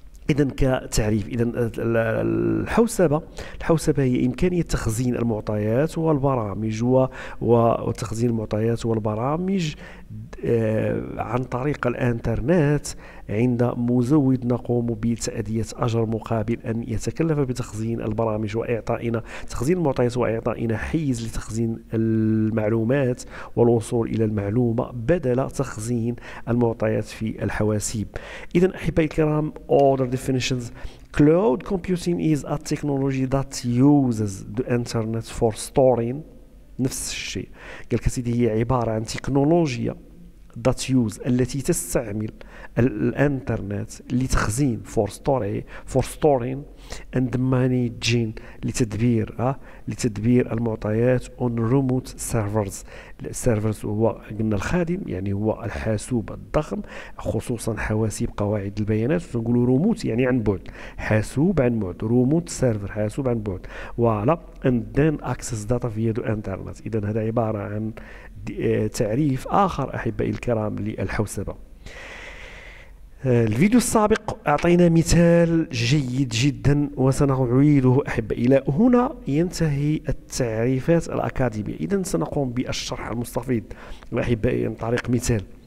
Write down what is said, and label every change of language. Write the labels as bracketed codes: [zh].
[ar] إذن كتعريف, إذن الحوسبة هي إمكانية تخزين المعطيات والبرامج وتخزين المعطيات والبرامج عن طريق الانترنت عند مزود نقوم بتأدية أجر مقابل أن يتكلف بتخزين البرامج وإعطائنا تخزين المعطيات وإعطائنا حيز لتخزين المعلومات والوصول إلى المعلومة بدل تخزين المعطيات في الحواسيب. إذن أحبائي الكرام, [en] order definitions. Cloud computing is a technology that uses the internet for storing. [ar] نفس الشيء قال كسيدي, هي عبارة عن تكنولوجيا [en] that use [ar] التي تستعمل الانترنت لتخزين [en] for storage for storing and managing [ar] لتدبير لتدبير المعطيات [en] on remote servers. [ar] السيرفرز هو قلنا الخادم يعني هو الحاسوب الضخم خصوصا حواسيب قواعد البيانات. نقول ريموت يعني عن بعد، حاسوب عن بعد، ريموت سيرفر حاسوب عن بعد. وعلى [en] and then access data via the internet. [ar] إذن هذا عبارة عن تعريف آخر أحبائي الكرام للحوسبة. الفيديو السابق أعطينا مثال جيد جدا وسنعيده أحبائي. إلى هنا ينتهي التعريفات الأكاديمية. إذن سنقوم بالشرح المستفيد أحبائي عن طريق مثال.